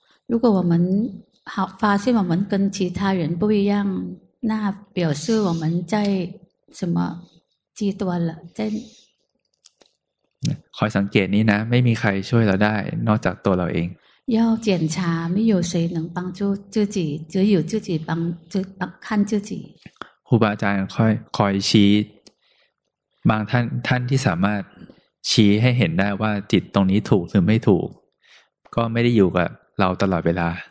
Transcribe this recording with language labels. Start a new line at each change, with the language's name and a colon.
Chinese: 如果我们发现我们跟其他人不一样那表示我们在什么极端了在
Thai: คอยสังเกตนี้นะไม่มีใครช่วยเราได้นอกจากตัวเราเอง
Chinese: 要检查，没有谁能帮助自己，只有自己帮自帮看自己。
Thai: ครูบาอาจารย์คอยชี้บางท่านที่สามารถชี้ให้เห็นได้ว่าจิตตรงนี้ถูกหรือไม่ถูกก็ไม่ได้อยู่กับเราตลอดเวลา